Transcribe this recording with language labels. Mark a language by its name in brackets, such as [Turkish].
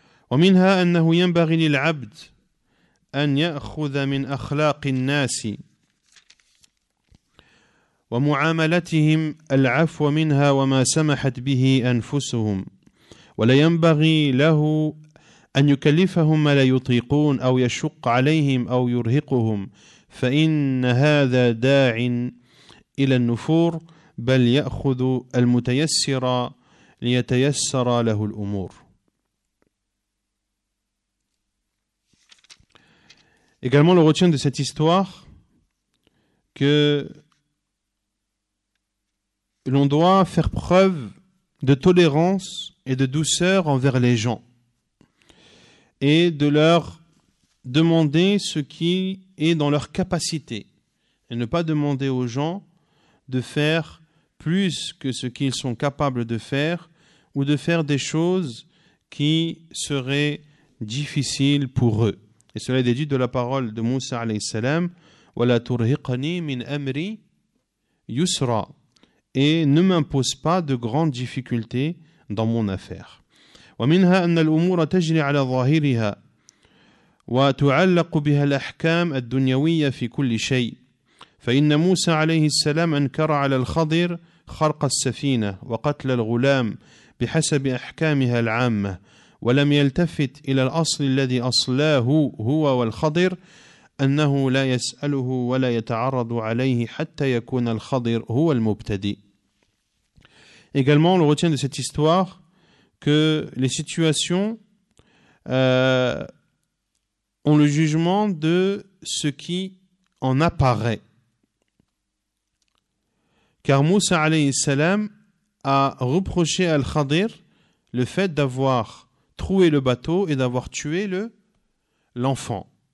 [Arabic] ومنها أنه ينبغي للعبد أن يأخذ من أخلاق الناس ومعاملتهم العفو منها وما سمحت به أنفسهم ولا ينبغي له أن يكلفهم ما لا يطيقون أو يشق عليهم أو يرهقهم فإن هذا داع إلى النفور بل يأخذ المتيسر ليتيسر له الأمور. [French] Également, on retient de cette histoire que l'on doit faire preuve de tolérance et de douceur envers les gens et de leur demander ce qui est dans leur capacité et ne pas demander aux gens de faire plus que ce qu'ils sont capables de faire ou de faire des choses qui seraient difficiles pour eux. Et cela est déduit de la parole de Moussa alayhi salam, [Arabic] وَلَا تُرْهِقَنِي مِنْ أَمْرِي يُسْرَى, [French] et ne m'impose pas de grandes difficultés dans mon affaire. [Arabic] وَمِنْهَا أَنَّ الْأُمُورَ تَجْرِي عَلَى ظَاهِرِهَا وَتُعَلَّقُ بِهَا الْأَحْكَامَ الدُّنْيَوِيَّ فِي كُلِّ شَيْءٍ فَإِنَّ مُوسَى عَلَيْهِ السَّلَامَ أَنْكَرَ عَلَى الْخَضِرِ خَرْقَ السَّفِينَةِ وَقَتْلَ الْغُلَامِ بِحَسَبِ أَحْكَامِهَا الْعَامَّةِ ولم يلتفت إلى الأصل الذي أصلاه هو والخضر أنه لا يسأله ولا يتعرض عليه حتى يكون الخضر هو المبتدئ. [French] Également, on retient de cette histoire que les situations ont le jugement de ce qui en apparaît. Car Moussa alayhi salam a reproché à Al-Khadir le fait d'avoir troué le bateau et d'avoir tué l'enfant.